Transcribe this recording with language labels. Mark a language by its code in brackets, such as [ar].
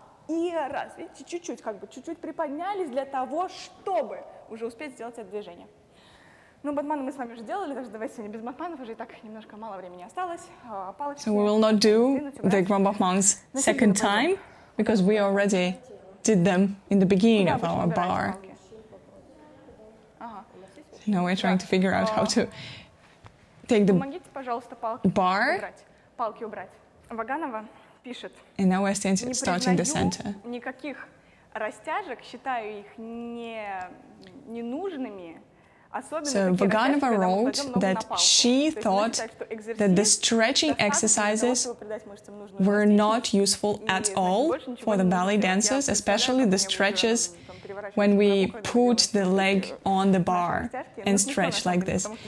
[ru] И раз, видите, чуть-чуть, как бы, чуть-чуть приподнялись для того, чтобы уже успеть сделать это движение. Ну, батманы мы с вами уже делали, даже давайте сегодня без батманов, уже и так немножко мало времени осталось. Палочки. [en] So we will not do the grand-batmans second time, because we already did them in the beginning of our bar. Now we're trying to figure out how to take the bar. [ru] Палки убрать. Ваганова. [en] And now we're starting the center. [ru] Никаких растяжек, считаю их ненужными, особенно. [en] So Vaganova wrote that she thought that the stretching exercises were not useful at all for the ballet dancers, especially the stretches when we put the leg on the bar and stretch like this.